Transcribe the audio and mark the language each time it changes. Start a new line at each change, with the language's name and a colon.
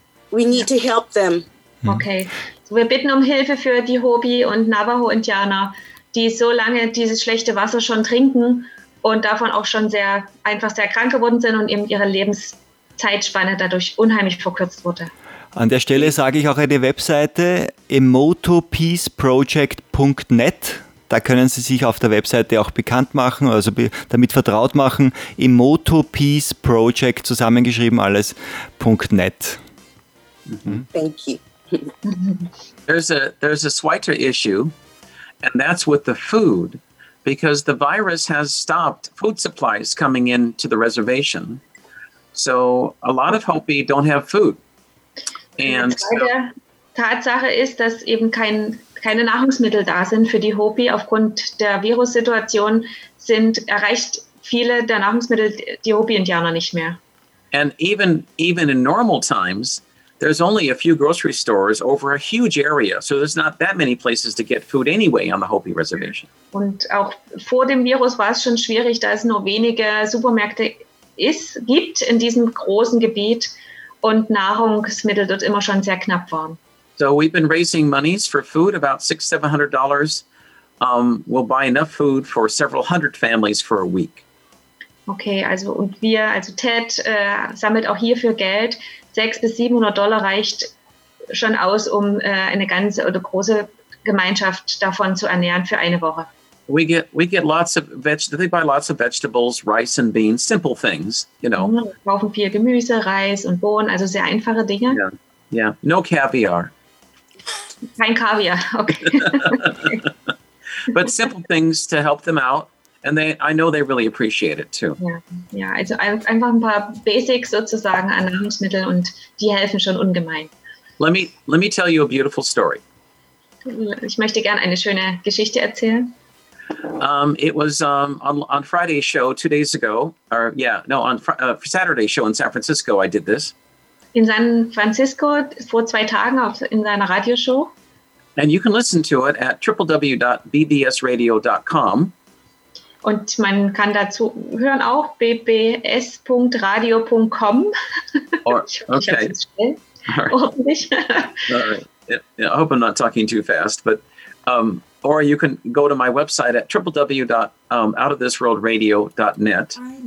English: We need to help them. Okay.
German: So wir bitten um Hilfe für die Hopi und Navajo Indianer, die so lange dieses schlechte Wasser schon trinken und davon auch schon sehr krank geworden sind und eben ihre Lebenszeitspanne dadurch unheimlich verkürzt wurde. An der Stelle sage ich auch eine Webseite, emotopeaceproject.net. Da können Sie sich auf der Webseite auch bekannt machen, also damit vertraut machen. Emotopeaceproject, zusammengeschrieben alles, .net.
English: Mhm. Thank you. There's a Switer issue, and that's with the food, because the virus has stopped food supplies coming into the reservation. So a lot of Hopi don't have food.
German: And die Tatsache ist, dass eben keine Nahrungsmittel da sind für die Hopi. Aufgrund der Virussituation erreicht viele der Nahrungsmittel die Hopi-Indianer nicht mehr.
English: And even in normal times, there's only a few grocery stores over a huge area, so there's not that many places to get food anyway on the Hopi Reservation.
German: Und auch vor dem Virus war es schon schwierig, da es nur wenige Supermärkte gibt in diesem großen Gebiet und Nahrungsmittel dort immer schon sehr knapp waren.
English: So we've been raising monies for food, about $600-$700. We'll buy enough food for several hundred families for a week.
German: Okay, also und wir, also Ted sammelt auch hierfür Geld. $600-$700 reicht schon aus, um eine ganze oder große Gemeinschaft davon zu ernähren für eine Woche.
English: We get lots of vegetables. They buy lots of vegetables, rice and beans, simple things, you know.
German: Wir kaufen viel Gemüse, Reis und Bohnen, also sehr einfache Dinge.
English: Yeah. No caviar.
German: Kein Kaviar. Okay.
English: But simple things to help them out. And I know they really appreciate it too.
German: Ja, also einfach ein paar Basics sozusagen an Nahrungsmitteln und die helfen schon ungemein.
English: Let me tell you a beautiful story.
German: Ich möchte gerne eine schöne Geschichte erzählen.
English: It was on Friday's show 2 days ago, for Saturday's show in San Francisco, I did this.
German: In San Francisco vor 2 Tagen in seiner Radioshow.
English: And you can listen to it at www.bbsradio.com.
German: Und man kann dazu hören auch bbs.radio.com.
English: Okay. I hope I'm not talking too fast, but or you can go to my website at www.outofthisworldradio.net.